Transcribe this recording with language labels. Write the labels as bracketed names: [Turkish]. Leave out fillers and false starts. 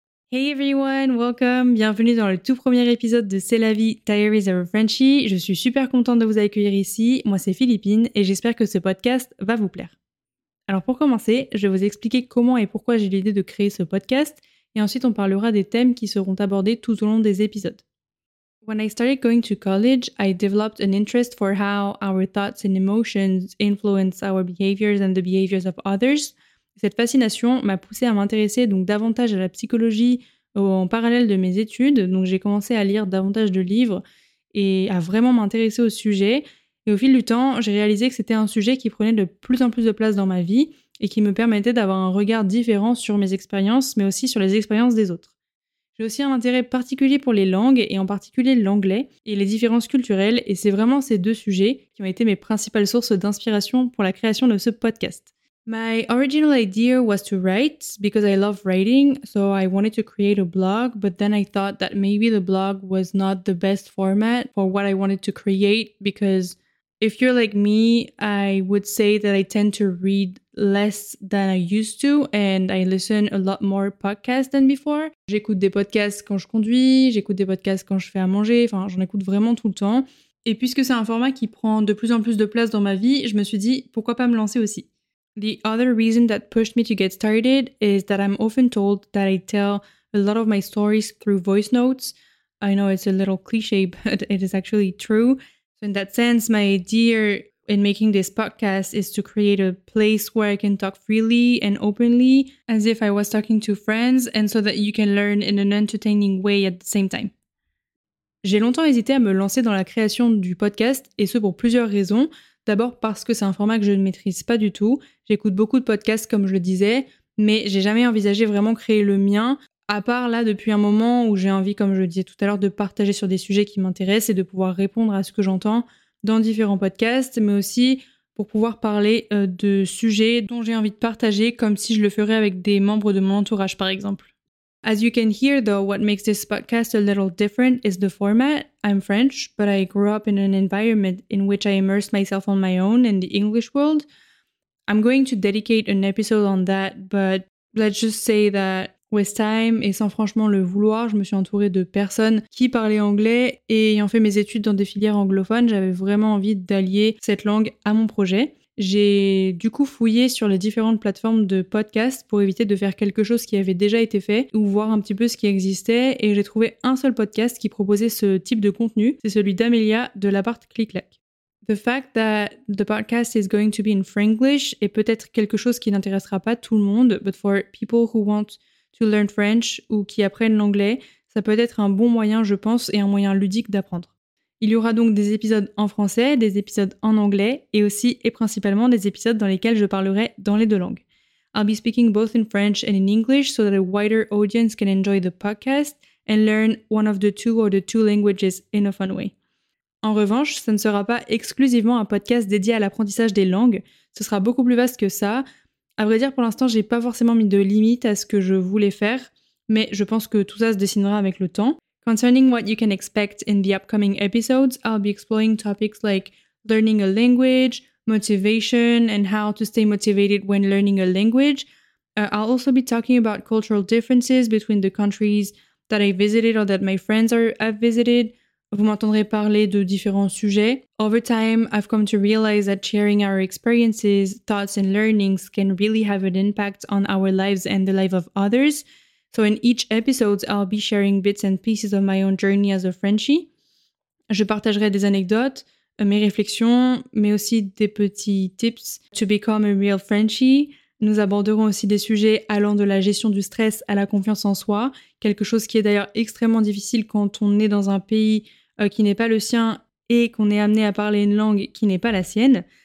[English] Hey everyone, welcome, [French] bienvenue dans le tout premier épisode de C'est la vie, Diaries of a Frenchie. Je suis super contente de vous accueillir ici, moi c'est Philippine et j'espère que ce podcast va vous plaire. Alors pour commencer, je vais vous expliquer comment et pourquoi j'ai l'idée de créer ce podcast et ensuite on parlera des thèmes qui seront abordés tout au long des épisodes. [English] When I started going to college, I developed an interest for how our thoughts and emotions influence our behaviors and the behaviors of others. [French] Cette fascination m'a poussée à m'intéresser donc davantage à la psychologie en parallèle de mes études. Donc j'ai commencé à lire davantage de livres et à vraiment m'intéresser au sujet. Et au fil du temps, j'ai réalisé que c'était un sujet qui prenait de plus en plus de place dans ma vie et qui me permettait d'avoir un regard différent sur mes expériences, mais aussi sur les expériences des autres. J'ai aussi un intérêt particulier pour les langues, et en particulier l'anglais, et les différences culturelles, et c'est vraiment ces deux sujets qui ont été mes principales sources d'inspiration pour la création de ce podcast. [English] My original idea was to write because I love writing, so I wanted to create a blog, but then I thought that maybe the blog was not the best format for what I wanted to create because if you're like me, I would say that I tend to read less than I used to and I listen a lot more podcasts than before. [French] J'écoute des podcasts quand je conduis, j'écoute des podcasts quand je fais à manger, enfin j'en écoute vraiment tout le temps. Et puisque c'est un format qui prend de plus en plus de place dans ma vie, je me suis dit pourquoi pas me lancer aussi. [English] The other reason that pushed me to get started is that I'm often told that I tell a lot of my stories through voice notes. I know it's a little cliche, but it is actually true. So in that sense, my idea in making this podcast is to create a place where I can talk freely and openly as if I was talking to friends and so that you can learn in an entertaining way at the same time. [French] J'ai longtemps hésité à me lancer dans la création du podcast et ce pour plusieurs raisons. D'abord parce que c'est un format que je ne maîtrise pas du tout. J'écoute beaucoup de podcasts, comme je le disais, mais j'ai jamais envisagé vraiment créer le mien, à part là depuis un moment où j'ai envie, comme je le disais tout à l'heure, de partager sur des sujets qui m'intéressent et de pouvoir répondre à ce que j'entends dans différents podcasts, mais aussi pour pouvoir parler de sujets dont j'ai envie de partager, comme si je le ferais avec des membres de mon entourage, par exemple. [English] As you can hear, though, what makes this podcast a little different is the format. I'm French, but I grew up in an environment in which I immersed myself on my own in the English world. I'm going to dedicate an episode on that, but let's just say that with time, [French] et sans franchement le vouloir, je me suis entourée de personnes qui parlaient anglais, et ayant fait mes études dans des filières anglophones, j'avais vraiment envie d'allier cette langue à mon projet. J'ai du coup fouillé sur les différentes plateformes de podcast pour éviter de faire quelque chose qui avait déjà été fait ou voir un petit peu ce qui existait et j'ai trouvé un seul podcast qui proposait ce type de contenu, c'est celui d'Amelia de l'appart Clic-Clac. [English] The fact that the podcast is going to be in Franglish [French] est peut-être quelque chose qui n'intéressera pas tout le monde, [English] but for people who want to learn French [French] ou qui apprennent l'anglais, ça peut être un bon moyen je pense et un moyen ludique d'apprendre. Il y aura donc des épisodes en français, des épisodes en anglais, et aussi et principalement des épisodes dans lesquels je parlerai dans les deux langues. [English] I'll be speaking both in French and in English so that a wider audience can enjoy the podcast and learn one of the two or the two languages in a fun way. [French] En revanche, ça ne sera pas exclusivement un podcast dédié à l'apprentissage des langues, ce sera beaucoup plus vaste que ça. À vrai dire, pour l'instant, j'ai pas forcément mis de limite à ce que je voulais faire, mais je pense que tout ça se dessinera avec le temps. [English] Concerning what you can expect in the upcoming episodes, I'll be exploring topics like learning a language, motivation, and how to stay motivated when learning a language. I'll also be talking about cultural differences between the countries that I visited or that my friends have visited. [French] Vous m'entendrez parler de différents sujets. [English] Over time, I've come to realize that sharing our experiences, thoughts, and learnings can really have an impact on our lives and the life of others. So in each episode, I'll be sharing bits and pieces of my own journey as a Frenchie. [French] Je partagerai des anecdotes, mes réflexions, mais aussi des petits [English] tips to become a real Frenchie. [French] Nous aborderons aussi des sujets allant de la gestion du stress à la confiance en soi, quelque chose qui est d'ailleurs extrêmement difficile quand on est dans un pays qui n'est pas le sien et qu'on est amené à parler une langue qui n'est pas la sienne.